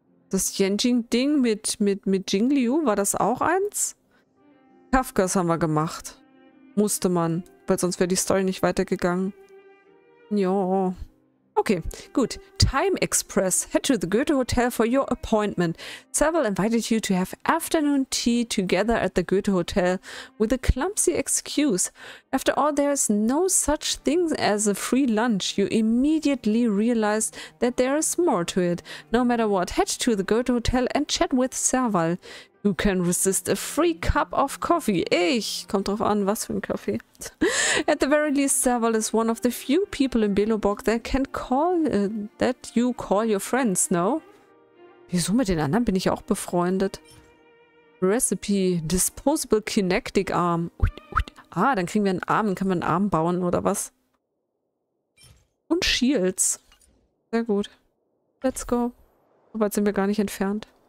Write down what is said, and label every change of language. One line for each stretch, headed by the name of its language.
German: Das Yenjing-Ding mit Jing Liu, war das auch eins? Kafkas haben wir gemacht. Musste man, weil sonst wäre die Story nicht weitergegangen. Ja. Okay, gut. Time Express.
English: Head to the Goethe Hotel for your appointment. Serval invited you to have afternoon tea together at the Goethe Hotel with a clumsy excuse. After all, there is no such thing as a free lunch. You immediately realize that there is more to it. No matter what, head to the Goethe Hotel and chat with Serval. You can resist a free cup of coffee.
German: Ich. Kommt drauf an, was für ein Kaffee.
English: At the very least, Serval is one of the few people in Belobog that can that you call your friends, no?
German: Wieso, mit den anderen bin ich auch befreundet? Recipe. Disposable Kinetic Arm. Ah, dann kriegen wir einen Arm. Kann man einen Arm bauen oder was? Und Shields. Sehr gut.
English: Let's go.
German: So weit sind wir gar nicht entfernt.